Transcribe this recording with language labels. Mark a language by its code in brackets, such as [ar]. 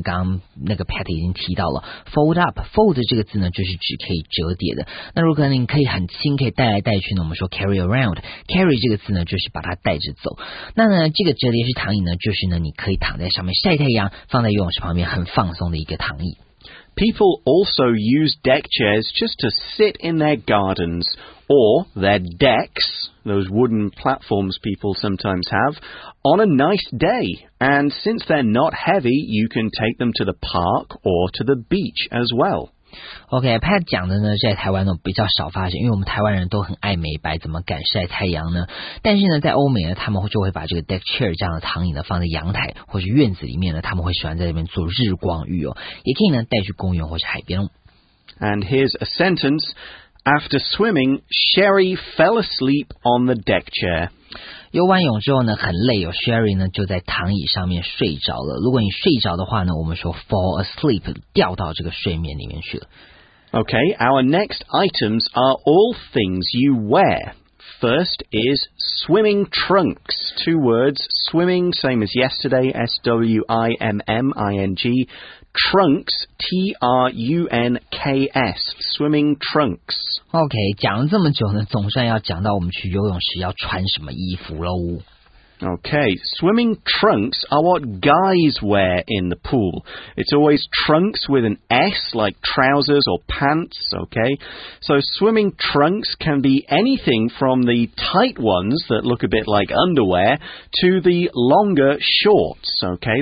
[zh] 刚刚那个 Pat 已经提到了 fold up, fold 这个字呢就是指可以折叠的。那如果你可以很轻可以带来带去呢，我们说 carry around, carry 这个字呢就是把它带着走。那呢这个折叠式躺椅呢就是呢你可以躺在上面晒太阳，放在泳池旁边很放松的一个躺椅。 [en] People also use deck chairs just to sit in their gardens or their decks, those wooden platforms people sometimes have, on a nice day. And since they're not heavy, you can take them to the park or to the beach as well. [zh] OK, Pat 讲的呢在台湾呢比较少发现，因为我们台湾人都很爱美白，怎么敢晒太阳呢？但是呢在欧美呢他们就会把这个 deck chair 这样的躺椅呢放在阳台或是院子里面呢，他们会喜欢在那边做日光浴哦，也可以呢带去公园或是海边。 [en] And here's a sentence. After swimming, Sherry fell asleep on the deck chair. [zh] 游完泳之后呢很累哦， Sherry 呢就在躺椅上面睡着了。如果你睡着的话呢我们说 fall asleep, 掉到这个睡眠里面去了。 [en] Okay, our next items are all things you wear. First is swimming trunks. Two words, swimming, same as yesterday, S-W-I-M-M-I-N-G. Trunks, T-R-U-N-K-S, swimming trunks. [zh] OK, 讲了这么久呢总算要讲到我们去游泳时要穿什么衣服咯。 [en] OK, swimming trunks are what guys wear in the pool. It's always trunks with an S, like trousers or pants, OK? So swimming trunks can be anything from the tight ones that look a bit like underwear to the longer shorts, OK?